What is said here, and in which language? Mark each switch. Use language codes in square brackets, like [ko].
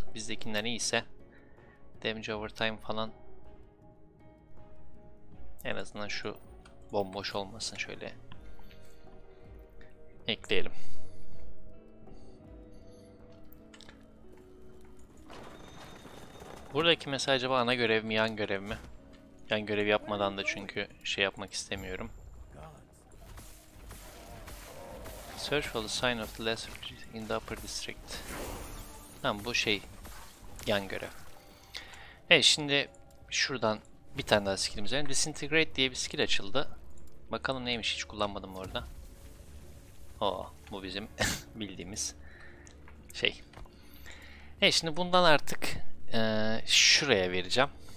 [tr] Bizdekinden iyiyse Damage Overtime falan en azından şu bomboş olmasın şöyle ekleyelim. Buradaki mesela acaba ana görev mi, yan görev mi? Yan görev yapmadan da çünkü şey yapmak istemiyorum. [en] Search for the sign of the lesser in the upper district. [tr] Tamam, bu şey yan görev. Evet, şimdi şuradan bir tane daha skill'im üzerine. Disintegrate diye bir skill açıldı. Bakalım neymiş, hiç kullanmadım orada. Oo, bu bizim bildiğimiz şey. Evet, şimdi bundan artık şuraya vereceğim.